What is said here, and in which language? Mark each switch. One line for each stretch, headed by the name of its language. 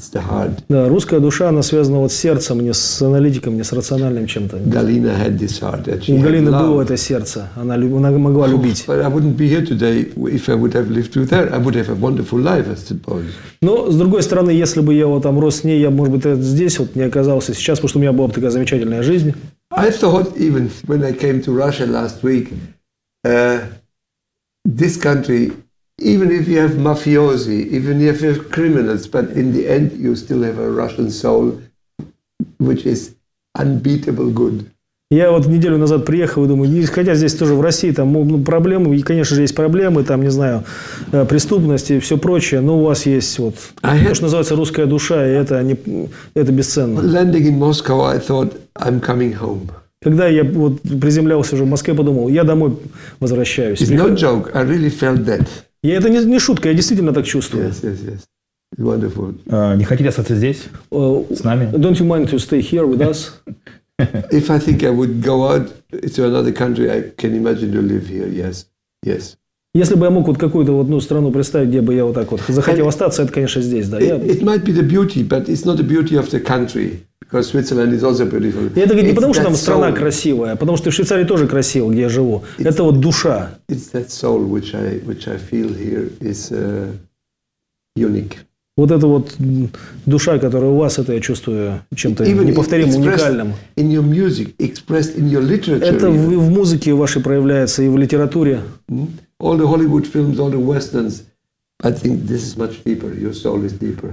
English: It's the heart.
Russian: Да, русская душа, она связана вот с сердцем, не с аналитиком, не с рациональным чем-то.
English: Галина had this heart.
Russian: У Галины было это сердце. Она могла любить.
English: But I wouldn't be here today if I would have lived with her. I would have a wonderful life, I suppose.
Russian: Но, с другой стороны, если бы я вот там рос с ней, я, может быть, здесь вот не оказался сейчас, потому что у меня была бы такая замечательная жизнь.
English: I thought even when I came to Russia last week, this country, even if you have mafiosi, even if you have criminals, but in the end you still have a Russian soul, which is unbeatable good.
Russian: Я вот неделю назад приехал и думаю, хотя здесь тоже в России там проблемы, и конечно же есть проблемы, там не знаю, преступности и все прочее, но у вас есть вот то, что называется русская душа, и это бесценно.
English: Landing in Moscow, I thought I'm coming home.
Russian: Когда я вот приземлялся уже в Москве, подумал, я домой возвращаюсь.
English: It's not joke. I really felt that.
Russian: Я это не шутка, я действительно так чувствую.
English: Yes, yes, yes. It's wonderful.
Russian: Не хотите остаться здесь? С нами?
English: Don't you mind to stay here with us? If I think I would go out to another country, I can imagine to live here. Yes, yes.
Russian: Если бы я мог вот какую-то вот одну страну представить, где бы я вот так вот захотел and остаться, это, конечно, здесь, да.
English: It might be the beauty, but it's not the beauty of the country. Because Switzerland is also beautiful.
Russian: И это не потому, что там страна красивая, а потому что в Швейцарии тоже красиво, где я живу. Это вот душа.
English: It's that soul which I feel here is unique.
Russian: Вот эта вот душа, которая у вас, это я чувствую чем-то even неповторимым, уникальным.
English: In your music, expressed in your literature.
Russian: Это в музыке вашей проявляется и в литературе.
English: All the Hollywood films, all the westerns. I think this is much deeper. Your soul is deeper.